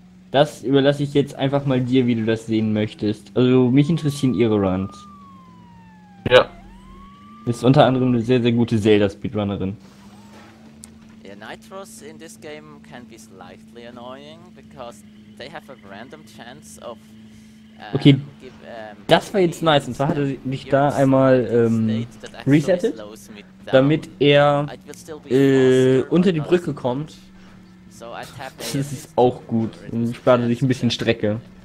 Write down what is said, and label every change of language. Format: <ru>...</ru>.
<de>Das überlasse ich jetzt einfach mal dir, wie du das sehen möchtest. Also mich interessieren ihre Runs. Ja. Ist unter anderem eine sehr, sehr gute Zelda Speedrunnerin.</de> <en>Yeah, Nitros in this game can be slightly annoying because they have a random chance of.</en> <de>Okay, das war jetzt nice, und zwar hat er sich da einmal resettet, damit er unter die Brücke kommt. Das ist auch gut, dann spart er sich ein bisschen Strecke.</de>